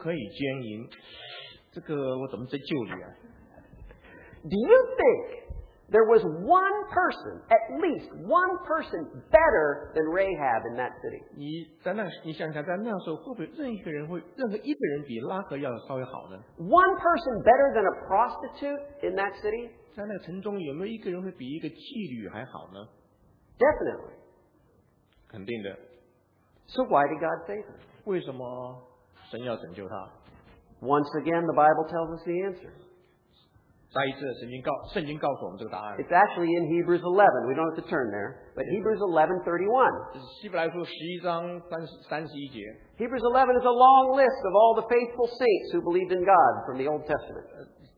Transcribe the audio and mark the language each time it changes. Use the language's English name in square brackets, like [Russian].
[Chinese] 那探子会想说：“哎，世界上说不可以奸淫，这个我怎么再救你啊？” [English] Do you think there was one person, at least one person, better than Rahab in that city? [Chinese] 你想想，在那时候，会不会任何一个人比拉合要稍微好呢？ [English] One person better than a prostitute in that city? [Chinese] 在那城中，有没有一个人会比一个妓女还好呢？ [English] Definitely. [Chinese] 肯定的。 [English] So why did God save her? [Chinese] 为什么神要拯救她？ [English] Once again, the Bible tells us the answer. [Chinese] 再一次，圣经告诉我们这个答案。 [English] It's actually in Hebrews 11. We don't have to turn there, but Hebrews 11:31. [Chinese] 这是希伯来书十一章三十一节。 [English] Hebrews 11 is a long list of all the faithful saints who believed in God from the Old Testament.